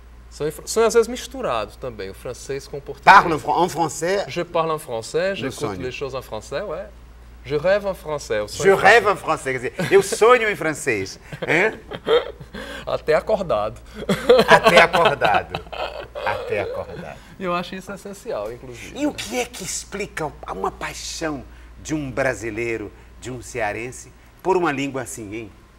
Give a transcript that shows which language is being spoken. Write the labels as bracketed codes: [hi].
[pt] Sonho às vezes misturado também, o francês com o português. [fr] Parle en français? Je parle en français, j'écoute les choses en français, ouais. Je rêve en français. Je rêve en français, [pt] quer dizer, eu sonho em francês. Até acordado. Até acordado. Até acordado. Eu acho isso essencial, inclusive. E o que é que explica uma paixão de um brasileiro, de um cearense, por uma língua assim, hein?